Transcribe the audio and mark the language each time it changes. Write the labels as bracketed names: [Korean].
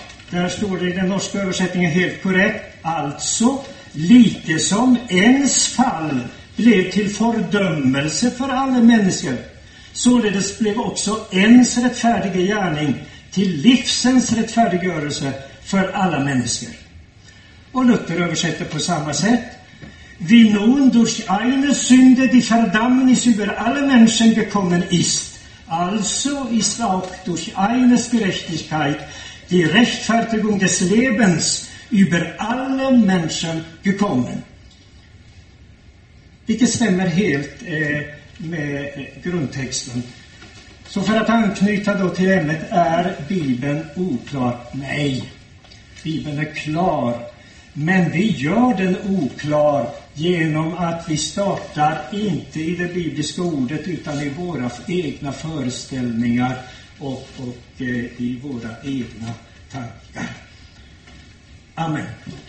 [Swedish] Där står det i den norska översättningen helt korrekt. Alltså, lite som ens fall blev till fördömelse för alla människor, således blev också ens rättfärdiga gärning till livsens rättfärdiggörelse för alla människor. Och Luther översätter på samma sätt. [German] Vi nun durch eine Sünde die Verdammnis über alle Menschen gekommen ist, also ist auch durch eines Gerechtigkeit die Rechtfertigung des Lebens über alle Menschen gekommen. [Swedish] Vilket stämmer helt med grundtexten. Så för att anknyta då till ämnet, är Bibeln oklar? Nej. Bibeln är klar, men vi gör den oklar genom att vi startar inte i det bibliska ordet utan i våra egna föreställningar och i våra egna tankar. Amen.